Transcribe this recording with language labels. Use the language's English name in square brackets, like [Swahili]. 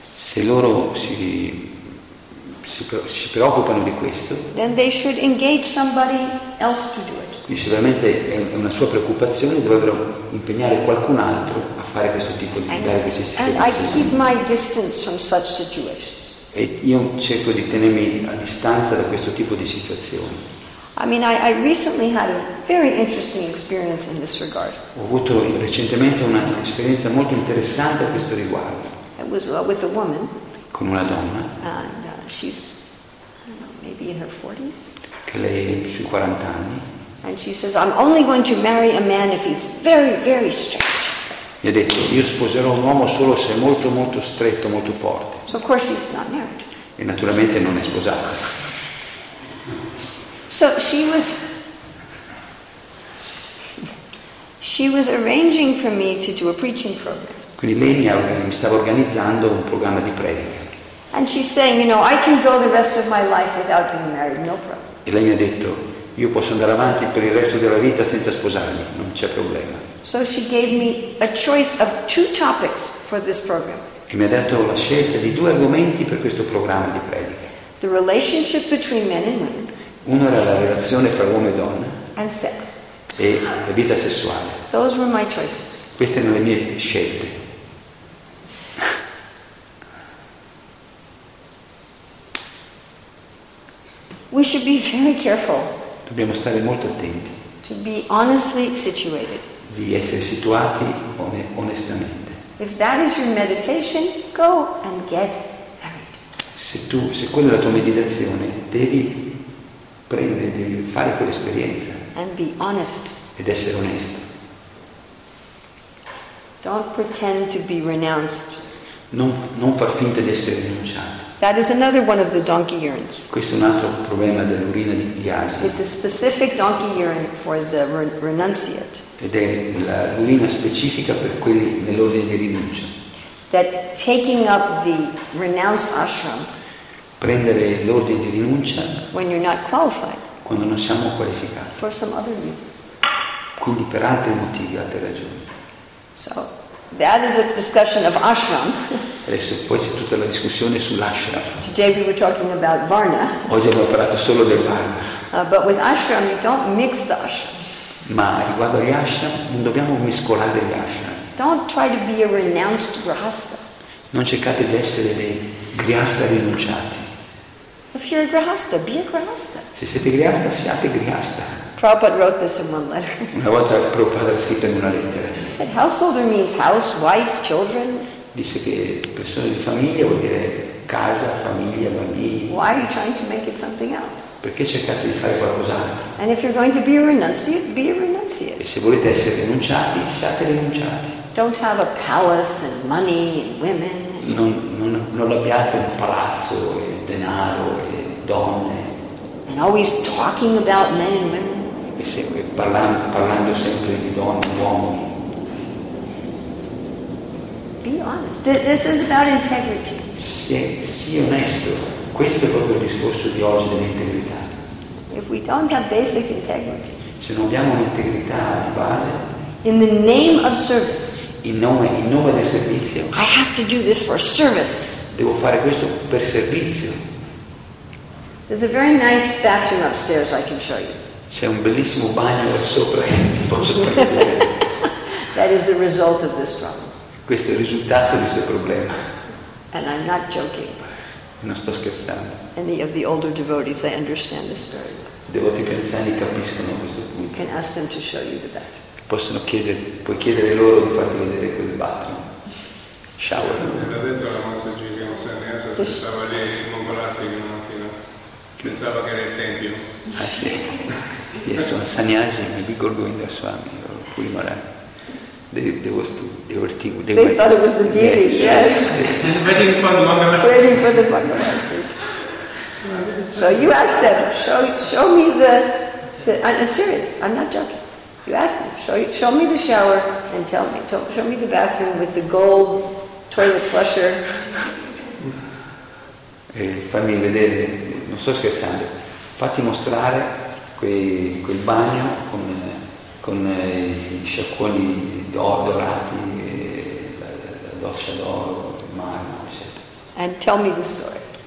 [Italian] se loro si preoccupano di questo, [English] then they should engage somebody else to do it. [Italian] Quindi se veramente è una sua preoccupazione, dovrebbero impegnare qualcun altro a fare questo tipo di dare questi servizi. [English] And I keep my distance from such situations. [Italian] E io cerco di tenermi a distanza da questo tipo di situazioni. [English] I mean, I recently had a very interesting experience in this regard. [Italian] Ho avuto recentemente un'esperienza molto interessante a questo riguardo. [English] It was with a woman. [Italian] Con una donna. [English] And she's, I don't know, maybe in her 40s. [Italian] Che lei è sui 40 anni. [English] And she says, I'm only going to marry a man if he's very, very strict. [Italian] Mi ha detto, io sposerò un uomo solo se è molto, molto stretto, molto forte. [English] So of course she's not married. [Italian] E naturalmente non è sposata. [English] So she was arranging for me to do a preaching program. [Italian] Quindi lei mi stava organizzando un programma di predica. [English] And she's saying, you know, I can go the rest of my life without being married, no problem. [Italian] E lei mi ha detto, io posso andare avanti per il resto della vita senza sposarmi, non c'è problema. [English] So she gave me a choice of two topics for this program. [Italian] E mi ha dato la scelta di due argomenti per questo programma di predica. [English] The relationship between men and women. [Italian] Uno era la relazione fra uomo e donna. [English] And sex. [Italian] E la vita sessuale. [English] Those were my choices. [Italian] Queste erano le mie scelte. [English] We should be very careful. [Italian] Dobbiamo stare molto attenti. [English] To be honestly situated. [Italian] Di essere situati onestamente. [English] If that is your meditation, go and get married. [Italian] Se quella è la tua meditazione, devi prendere, devi fare quell'esperienza. [English] And be honest. [Italian] Ed essere onesto. [English] Don't pretend to be renounced. [Italian] Non far finta di essere rinunciato. [English] That is another one of the donkey urines. [Italian] Questo è un altro problema dell'urina di asino. [English] It's a specific donkey urine for the renunciate. [Italian] Ed è l'urina specifica per quelli nell'ordine di rinuncia. [English] That taking up the renounced ashram. [Italian] Prendere l'ordine di rinuncia. [English] When you're not qualified. [Italian] Quando non siamo qualificati. [English] For some other reason. [Italian] Quindi per altri motivi, altre ragioni. [English] So that is a discussion of ashram. [Italian] Adesso poi c'è tutta la discussione sull'ashram. [English] Today we were talking about varna. [Italian] Oggi abbiamo parlato solo del varna. [English] But with ashram you don't mix the ashram. [Italian] Ma riguardo agli ashram, non dobbiamo mescolare gli ashram. [English] Don't try to be a renounced grihasta. [Italian] Non cercate di essere dei grihasta rinunciati. [English] If you're a grihasta, be a grihasta. [Italian] Se siete grihasta, siate grihasta. [English] Prabhupada wrote this in one letter. [Italian] Una volta Prabhupada l'ha scritto in una lettera. [English] He said householder means house, wife, children. [Italian] Disse che persone di famiglia vuol dire casa, famiglia, bambini. [English] Why are you trying to make it something else? [Italian] Perché cercate di fare qualcos'altro? [English] And if you're going to be a renunciate, be a renunciate. [Italian] E se volete essere rinunciati, siate rinunciati. [English] Don't have a palace and money and women. [Italian] Non abbiate un palazzo e denaro e donne. [English] And always talking about men and women. [Italian] E sempre parlando sempre di donne e uomini. [English] Be honest. This is about integrity. [Italian] Sii onesto. Questo è proprio il discorso di oggi dell'integrità. [English] If we don't have basic integrity, [Italian] se non abbiamo un'integrità di base, [English] in the name of service, [Italian] in nome del servizio, [English] I have to do this for service. [Italian] Devo fare questo per servizio. [English] There's a very nice bathroom upstairs I can show you. [Italian] C'è un bellissimo bagno sopra che vi posso prendere. [English] That is the result of this problem. [Italian] Questo è il risultato di questo problema. [English] And I'm not joking. [Italian] Non sto scherzando. [English] Any of the older devotees, they understand this very well. [Italian] Devoti più anziani capiscono questo punto. [English] You can ask them to show you the bathroom. [Italian] Possono chiedere, puoi chiedere loro di farti vedere quel bathroom. [English] Shower. [Italian] Era detto alla monaci che non sa neanche se stava lì in Mongolati in una fila. Pensava che era il tempio. Ah sì. Io sono sannyasi, mi ricordo in Swami, ero qui morale. [English] They thought it was the deity, yes. Waiting for the Bhagavad. Waiting for the Bhagavad. So you asked them, show me the I'm serious, I'm not joking. You asked them, show me the shower and tell me. Show me the bathroom with the gold toilet flusher. [Italian] Fammi vedere, non sto scherzando. Fatti mostrare quel bagno con gli sciacquoni dorati, la doccia d'oro, il marmo, eccetera. [English] And tell me the story.